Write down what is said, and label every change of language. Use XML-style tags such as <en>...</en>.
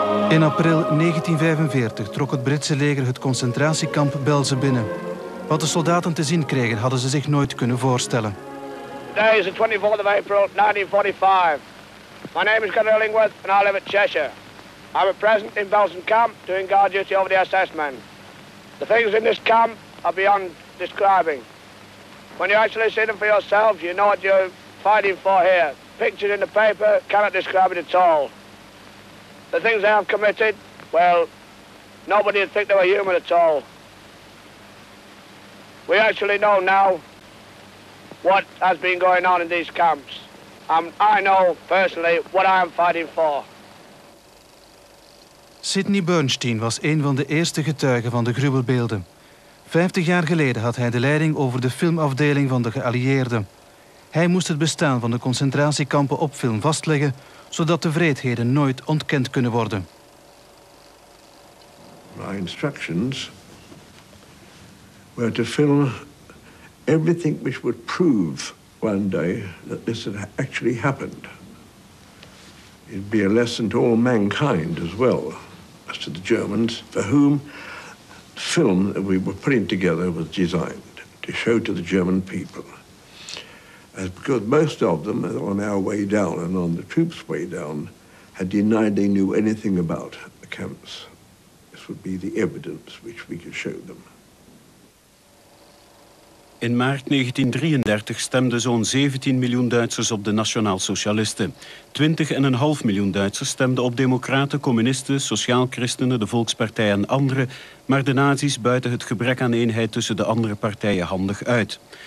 <nl>In april 1945 trok het Britse leger het concentratiekamp Belzen binnen. Wat de soldaten te zien kregen, hadden ze zich nooit kunnen voorstellen.</nl> <en>Today is the 24th of April, 1945. My name is Colonel Illingworth and I live at Cheshire. I'm at present in Belzen camp doing guard duty over the SS men. The things in this camp are beyond describing. When you actually see them for yourselves, you know what you're fighting for here. Pictures in the paper cannot describe it at all. The things they have committed, well, nobody would think they were human at all. We actually know now what has been going on in these camps. I know personally what I am fighting for.</en> <nl>Sidney Bernstein was een van de eerste getuigen van de gruwelbeelden. 50 jaar geleden had hij de leiding over de filmafdeling van de geallieerden. Hij moest het bestaan van de concentratiekampen op film vastleggen, zodat de wreedheden nooit ontkend kunnen worden.</nl> <en>My instructions were to film everything which would prove one day that this had actually happened. It'd be a lesson to all mankind as well, as to the Germans, for whom the film that we were putting together was designed to show to the German people. As because most of them on our way down and on the troops' way down had denied they knew anything about the camps. This would be the evidence which we could show them.</en> <nl>In maart 1933 stemden zo'n 17 miljoen Duitsers op de Nationaal-Socialisten. 20,5 miljoen Duitsers stemden op Democraten, Communisten, Sociaal-Christenen, de Volkspartij en anderen. Maar de nazi's buiten het gebrek aan eenheid tussen de andere partijen handig uit.</nl>